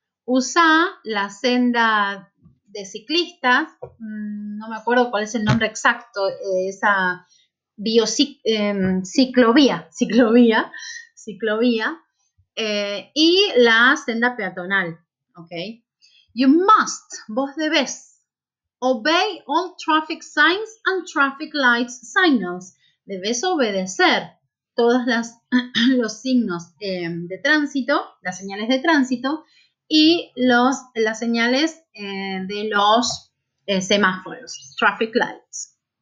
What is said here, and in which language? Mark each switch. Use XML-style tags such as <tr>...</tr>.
<es>Usa la senda de ciclistas, no me acuerdo cuál es el nombre exacto, esa ciclovía, y la senda peatonal, ¿ok?</es> <en>You must,</en> <es>vos debes,</es> <en>obey all traffic signs and traffic lights signals.</en> <es>Debes obedecer todos los signos de tránsito, las señales de tránsito, y las señales de los semáforos,</es> <en>traffic lights.</en>